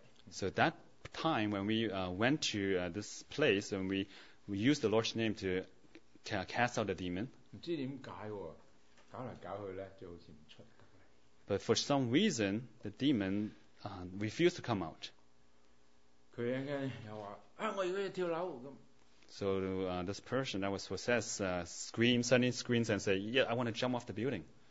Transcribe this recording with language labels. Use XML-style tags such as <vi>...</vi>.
<en>so that time when we went to this place and we used the Lord's name to cast out the demon.</en> <zh>不知道为什么,搞来搞去呢,</zh> <en>but for some reason, the demon refused to come out.</en> <zh>他又说,我要跳楼,</zh> <en>so this person that was possessed suddenly screams and said, yeah, I want to jump off the building.</en>